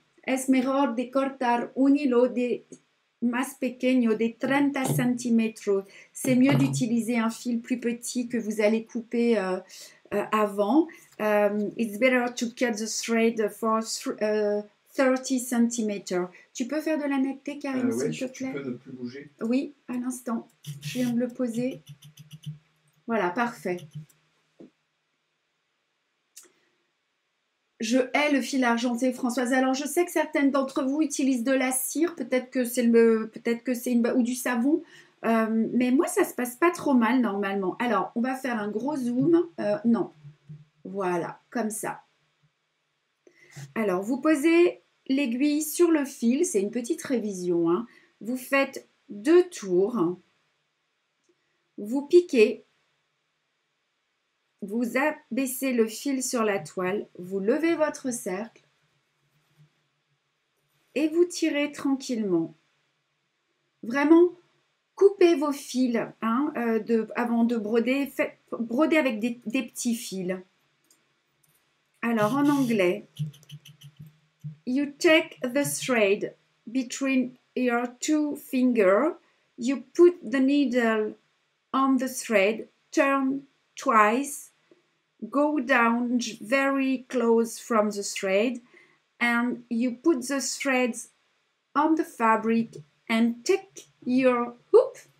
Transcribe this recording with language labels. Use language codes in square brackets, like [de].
[es] Es mejor de cortar un hilo de más pequeño, de 30 centímetros. [fr] C'est mieux d'utiliser un fil plus petit que vous allez couper avant. [en] It's better to cut the thread for 30 centimeters. [fr] Tu peux faire de la netteté, Karine, s'il te plaît? Tu peux ne plus bouger. Oui, à l'instant. Je viens de le poser. Voilà, parfait. Je hais le fil argenté, Françoise. Alors, je sais que certaines d'entre vous utilisent de la cire, ou du savon, mais moi, ça se passe pas trop mal, normalement. Alors, on va faire un gros zoom. Non. Voilà, comme ça. Alors, vous posez l'aiguille sur le fil, c'est une petite révision, hein. Vous faites deux tours, vous piquez, vous abaissez le fil sur la toile, vous levez votre cercle et vous tirez tranquillement. Vraiment, coupez vos fils, hein, avant de broder, brodez avec des petits fils. Alors, en anglais, [en] you take the thread between your two fingers, you put the needle on the thread, turn twice, go down very close from the thread, and you put the threads on the fabric and take your hoop.